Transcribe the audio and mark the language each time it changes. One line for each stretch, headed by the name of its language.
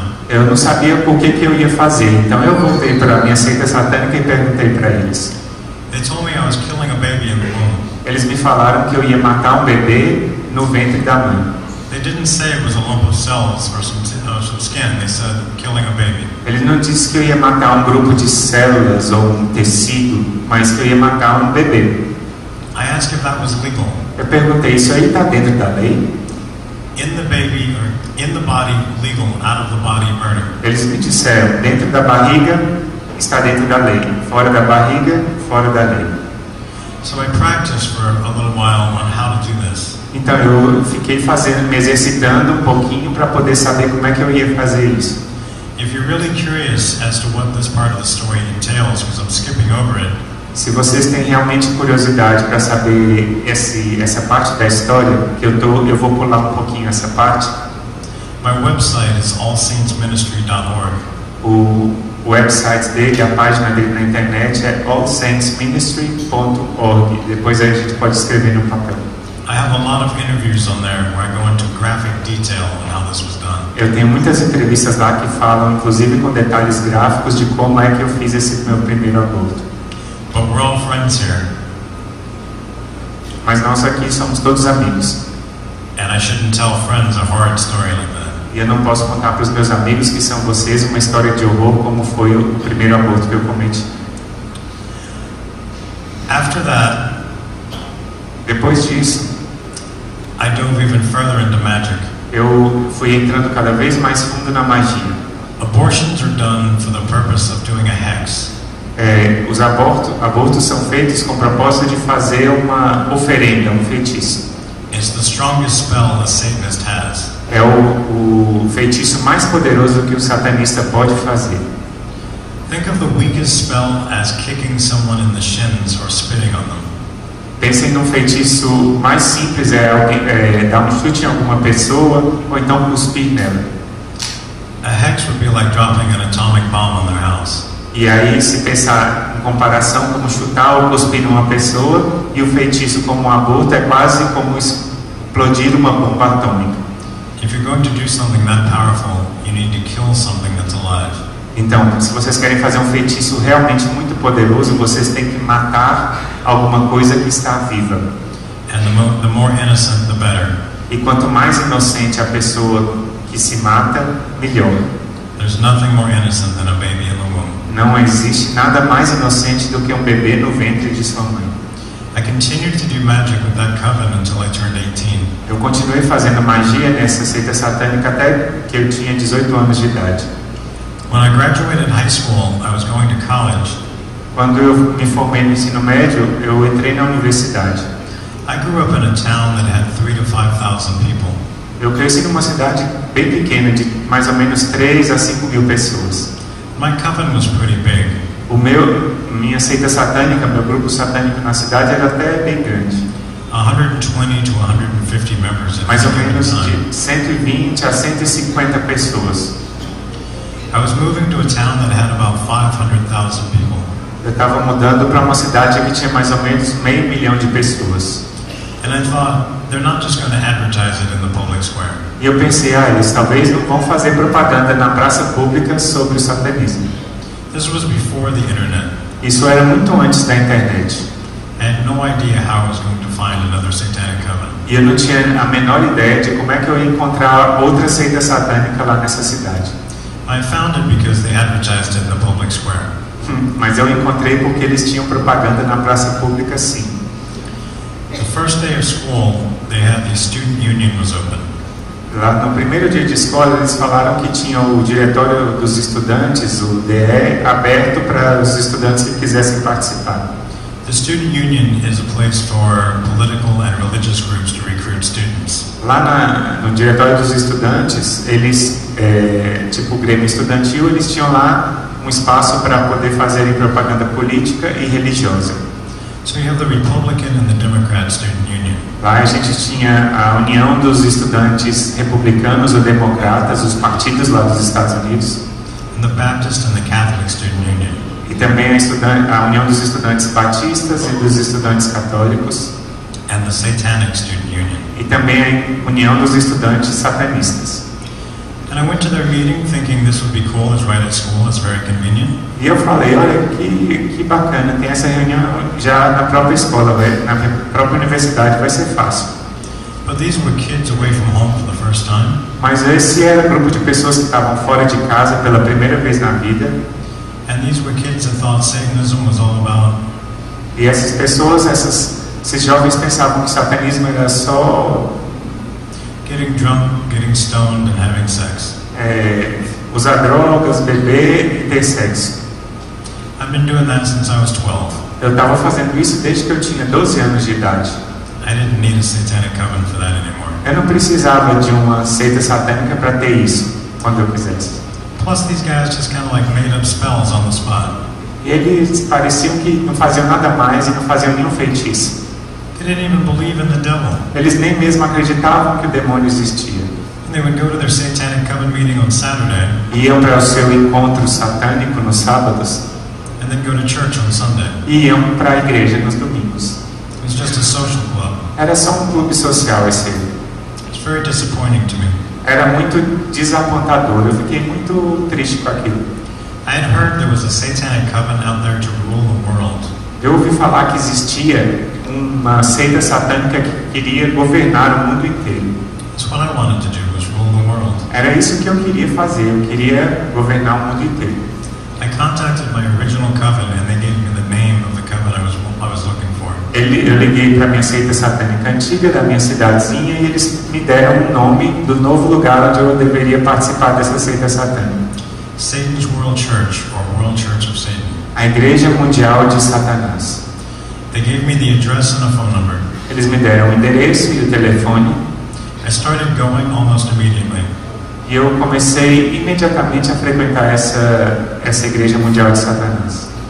Portuguese: Eu não sabia o que eu ia fazer, então eu voltei para a minha seita satânica e perguntei para eles.
English: They told me I was killing a baby in the womb.
Portuguese: Eles me falaram que eu ia matar um bebê no ventre da mãe.
English: They didn't say it was a lump of cells or some skin. They said killing a baby.
Portuguese: Ele não disse que eu ia matar um grupo de células ou um tecido, mas que eu ia matar um bebê.
English: I asked if that was legal.
Portuguese: Eu perguntei, isso aí está dentro da lei?
English: In the baby or in the body, legal, out of the body, murder.
Portuguese: Eles me disseram, dentro da barriga está dentro da lei, fora da barriga, fora da lei.
English: So I practiced for a little while on how to do this.
Portuguese: Então eu fiquei fazendo, me exercitando um pouquinho para poder saber como é que eu ia fazer isso.
English: If you're really curious as to what this part of the story entails, because I'm skipping over it.
Portuguese: Se vocês têm realmente curiosidade para saber essa parte da história, que eu vou pular um pouquinho essa parte.
English: My website is allsaintsministry.org.
Portuguese: O website dele, a página dele na internet é allsaintsministry.org. Depois a gente pode escrever no papel.
English: I have a lot of interviews on there where I go into graphic detail on how this was done.
Portuguese: Eu tenho muitas entrevistas lá que falam, inclusive com detalhes gráficos de como é que eu fiz esse meu primeiro aborto.
English: But we're all friends here.
Portuguese: Mas nós aqui somos todos amigos.
English: And I shouldn't tell friends a horror story like that.
Portuguese: E eu não posso contar para os meus amigos que são vocês uma história de horror como foi o primeiro aborto que eu cometi.
English: After that.
Portuguese: Depois disso,
English: I dove even further into magic.
Portuguese: Eu fui entrando cada vez mais fundo na magia.
English: Abortions are done for the purpose of doing a hex.
Portuguese: Os abortos são feitos com o propósito de fazer uma oferenda, um feitiço.
English: It's the strongest spell a Satanist has.
Portuguese: É o feitiço mais poderoso que um satanista pode fazer.
English: Think of the weakest spell as kicking someone in the shins or spitting on them.
Portuguese: Pense em um feitiço mais simples, dar um chute em alguma pessoa ou então cuspir nela.
English: A hex would be like dropping an atomic bomb on their house.
Portuguese: E aí, se pensar em comparação como chutar ou cuspir numa pessoa, e o feitiço como um aborto é quase como explodir uma bomba atômica.
English: If you're going to do something that powerful, you need to kill something that's alive.
Portuguese: Então, se vocês querem fazer um feitiço realmente muito poderoso, vocês têm que matar alguma coisa que está viva.
English: And the more innocent, the better.
Portuguese: E quanto mais inocente a pessoa que se mata, melhor.
English: There's nothing more innocent than a baby in the womb.
Portuguese: Não existe nada mais inocente do que um bebê no ventre de sua mãe.
English: I continued to do magic with that coven until I turned 18.
Portuguese: Eu continuei fazendo magia nessa seita satânica até que eu tinha 18 anos de idade.
English: When I graduated high school, I was going to college.
Portuguese: Quando eu me formei no ensino médio, eu entrei na universidade.
English: I grew up in a town that had 3 to 5,000 people.
Portuguese: Eu cresci numa cidade bem pequena de mais ou menos 3 a 5 mil pessoas.
English: My coven was pretty big.
Portuguese: O meu, minha seita satânica, meu grupo satânico na cidade era até bem grande.
English: 120 to 150 members at
Portuguese: mais ou menos
English: time.
Portuguese: De 120 a 150 pessoas.
English: I was moving to a town that had about 500,000 people.
Portuguese: Eu estava mudando para uma cidade que tinha mais ou menos 500,000 de pessoas.
English: And I thought, they're not just going to advertise it in the public square.
Portuguese: E eu pensei, eles talvez não vão fazer propaganda na praça pública sobre o satanismo.
English: This was before the internet.
Portuguese: Isso era muito antes da internet.
English: I had no idea how I was going to find another satanic coven.
Portuguese: E eu não tinha a menor ideia de como é que eu ia encontrar outra seita satânica lá nessa cidade.
English: I found it because they advertised it in the public square.
Portuguese: Mas eu encontrei porque eles tinham propaganda na praça pública, sim.
English: The first day of school, they had the student union was open.
Portuguese: Lá no primeiro dia de escola, eles falaram que tinha o diretório dos estudantes, o DE, aberto para os estudantes que quisessem participar.
English: The student union is a place for political and religious groups to recruit students.
Portuguese: Lá no diretório dos estudantes, eles tipo o grêmio estudantil, eles tinham lá um espaço para poder fazer propaganda política e religiosa.
English: So you have the Republican and the Democrat student union.
Portuguese: Lá a gente tinha a união dos estudantes republicanos ou democratas, os partidos lá dos Estados Unidos.
English: And the Baptist and the Catholic student union.
Portuguese: E também a união dos estudantes batistas e dos estudantes católicos.
English: And the Satanic Student Union.
Portuguese: E também a união dos estudantes satanistas.
English: And I went to their meeting thinking this would be cool, it's right at school, it's very convenient.
Portuguese: E eu falei, olha que bacana, tem essa reunião já na própria escola, na própria universidade, vai ser fácil.
English: But these were kids away from home for the first time.
Portuguese: Mas esse era um grupo de pessoas que estavam fora de casa pela primeira vez na vida.
English: And these were kids that thought Satanism was all about.
Portuguese: E essas pessoas, esses jovens pensavam que satanismo era só
English: getting drunk, getting stoned, and having sex.
Portuguese: Usar drogas, beber e ter sexo.
English: I've been doing that since I was 12.
Portuguese: Eu estava fazendo isso desde que eu tinha 12 anos de idade.
English: I didn't need a satanic coven for that anymore.
Portuguese: Eu não precisava de uma seita satânica para ter isso quando eu quisesse.
English: Plus, these guys just kind of like made up spells on the spot.
Portuguese: Eles pareciam que não faziam nada mais e não faziam nenhum feitiço.
English: They didn't even believe in the devil.
Portuguese: Eles nem mesmo acreditavam que o demônio existia.
English: And they would go to their satanic coven meeting on Saturday.
Portuguese: Iam para o seu encontro satânico nos sábados.
English: And then go to church on Sunday.
Portuguese: Iam para a igreja nos domingos.
English: It was just a social club.
Portuguese: Era só um clube social esse.
English: It's very disappointing to me.
Portuguese: Era muito desapontador, eu fiquei muito triste com aquilo.
English: I had heard there was a satanic coven out there to rule the world.
Portuguese: Eu ouvi falar que existia uma seita satânica que queria governar o mundo inteiro.
English: That's what I wanted to do, was rule the world.
Portuguese: Era isso que eu queria fazer, eu queria governar o mundo inteiro.
English: I contacted my original coven and they gave me the name of the coven I was looking for.
Portuguese: Eu liguei para a minha seita satânica antiga da minha cidadezinha e eles me deram o nome do novo lugar onde eu deveria participar dessa seita satânica.
English: Satan's World Church, or World Church of Satan.
Portuguese: A Igreja Mundial de Satanás.
English: They gave me the address and a phone number.
Portuguese: Eles me deram o endereço e o telefone.
English: I started going almost immediately.
Portuguese: E eu comecei imediatamente a frequentar essa igreja mundial de Satanás.